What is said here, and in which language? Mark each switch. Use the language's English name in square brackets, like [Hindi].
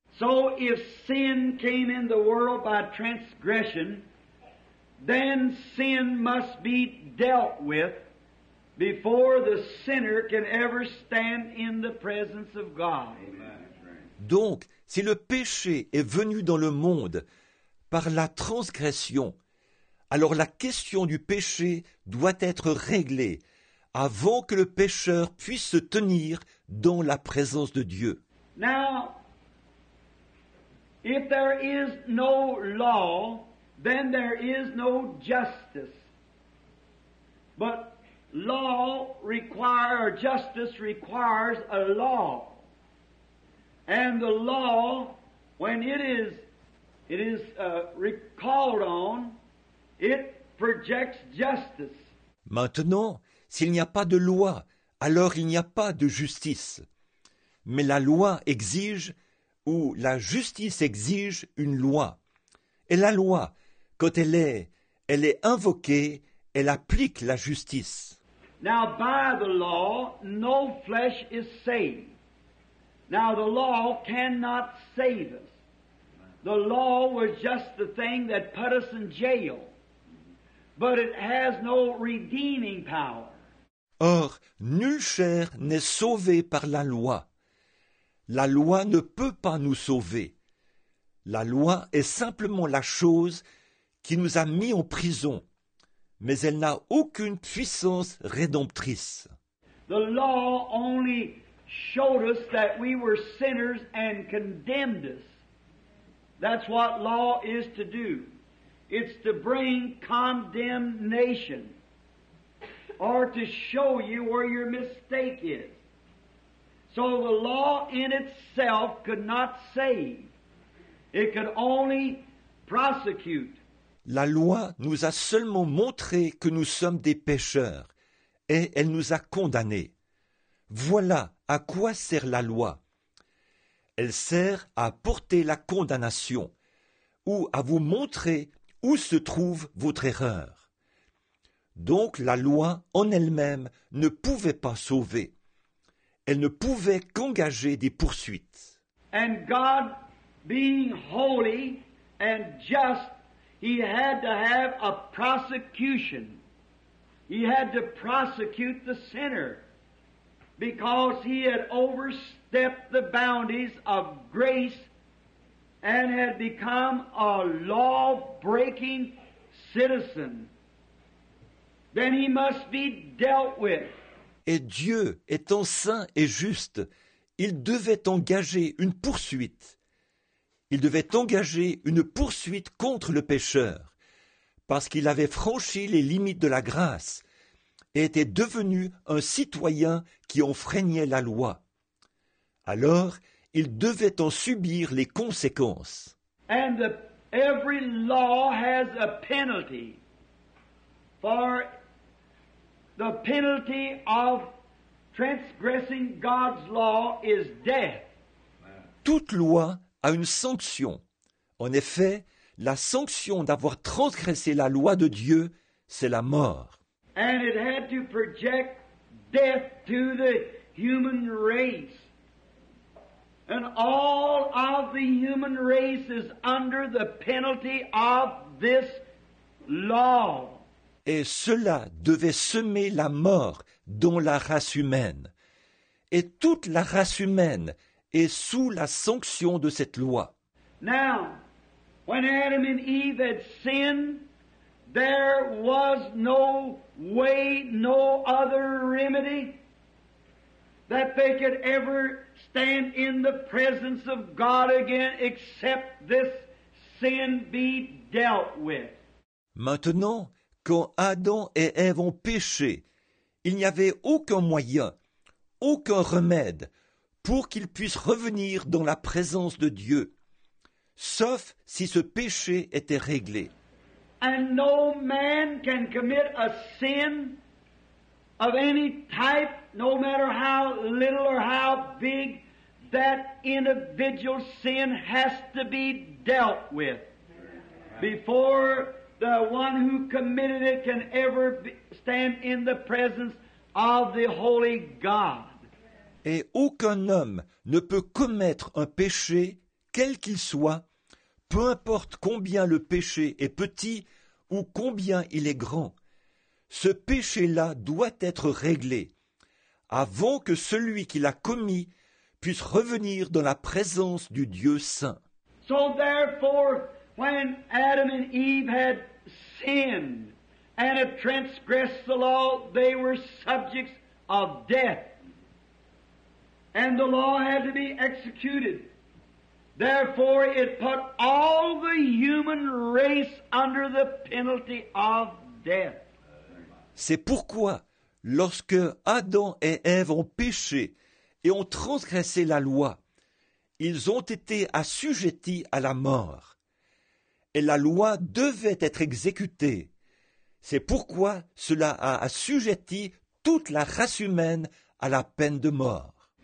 [English] So if sin came in the world by transgression, then sin must be dealt with before the sinner can ever stand in the presence of God. [French] Donc, si le péché est venu dans le monde par la transgression, alors la question du péché doit être réglée avant que le pécheur puisse se tenir dans la présence de Dieu. [English] Now, if there is no law, then there is no justice. But law requires, or justice requires a law. And the law, when it is called on, it projects justice. [French] Maintenant, s'il n'y a pas de loi, alors il n'y a pas de justice. mais la loi exige, ou la justice exige une loi. Et la loi, quand elle est invoquée, elle applique la justice. [English] Now by the law, no flesh is saved. Now the law cannot save us. The law was just the thing that put us in jail. But it has no redeeming power. [French] Or, nulle chair n'est sauvée par la loi. La loi ne peut pas nous sauver. La loi est simplement la chose qui nous a mis en prison, mais elle n'a aucune puissance rédemptrice. [English] The law only showed us that we were sinners and condemned us. That's what law is to do. It's to bring condemnation, or to show you where your mistake is. So the law in itself could not save. It could only prosecute. [French] La loi nous a seulement montré que nous sommes des pécheurs, et elle nous a condamnés. Voilà à quoi sert la loi. Elle sert à porter la condamnation, ou à vous montrer où se trouve votre erreur. Donc la loi en elle-même ne pouvait pas sauver. Elle ne pouvait qu'engager des poursuites. [English] And God, being holy and just, he had to have a prosecution. He had to prosecute the sinner because he had overstepped the boundaries of grace and had become a law-breaking citizen. Then he must be dealt with. [French] Et Dieu étant saint et juste, il devait engager une poursuite. Il devait engager une poursuite contre le pécheur, parce qu'il avait franchi les limites de la grâce et était devenu un citoyen qui enfreignait la loi. Alors, il devait en subir les conséquences. [English] And every law has a penalty. For the penalty of transgressing God's law is death. [French] Toute loi a une sanction. En effet, la sanction d'avoir transgressé la loi de Dieu, c'est la mort. [English] And it had to project death to the human race. And all of the human race is under the penalty of this law. [French] Et cela devait semer la mort dans la race humaine. Et toute la race humaine est sous la sanction de cette loi. [English] Now, when Adam and Eve had sinned, there was no way, no other remedy that they could ever stand in the presence of God again, except this sin be dealt with. [French] Maintenant, quand Adam et Ève ont péché, il n'y avait aucun moyen, aucun remède pour qu'ils puissent revenir dans la présence de Dieu, sauf si ce péché était réglé. [English] And no man can commit a sin of any type, no matter how little or how big, that individual sin has to be dealt with before the one who committed it can ever stand in the presence of the holy God. [French] Et aucun homme ne peut commettre un péché, quel qu'il soit, peu importe combien le péché est petit ou combien il est grand. Ce péché-là doit être réglé avant que celui qui l'a commis puisse revenir dans la présence du Dieu saint. [English] So therefore, when Adam and Eve had sinned and had transgressed the law, they were subjects of death. And the law had to be executed. Therefore, it put all the human race under the penalty of death. [French] C'est pourquoi, lorsque Adam et Ève ont péché et ont transgressé la loi, ils ont été assujettis à la mort. Et la loi devait être exécutée. C'est pourquoi cela a assujetti toute la race humaine à la peine de mort.